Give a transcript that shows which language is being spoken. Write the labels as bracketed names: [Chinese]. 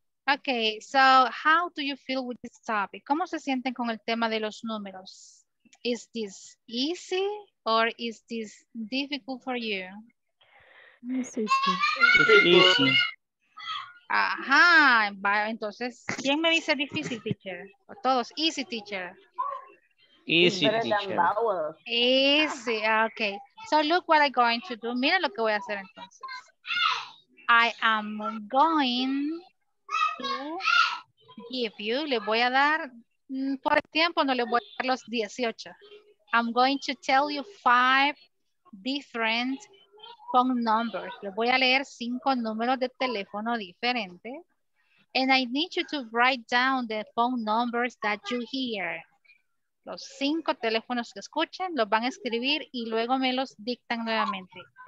[English] Okay, so how do you feel with this topic? [Spanish] ¿Cómo se sienten con el tema de los números? [English] Is this easy or is this difficult for you? It's easy. [Spanish] Ajá, entonces, ¿quién me dice difícil, teacher? ¿O todos? [English] Easy, teacher. Easy, teacher. Easy, okay. So look what I'm going to do. [Spanish] Mira lo que voy a hacer entonces. [English] I am going to give you, [Spanish] le voy a dar, por el tiempo no le voy a dar los 18. [English] I'm going to tell you 5 different phone numbers. [Spanish] Le voy a leer 5 números de teléfono diferente. [English] And I need you to write down the phone numbers that you hear. [Spanish] Los 5 teléfonos que escuchen, los van a escribir y luego me los dictan nuevamente.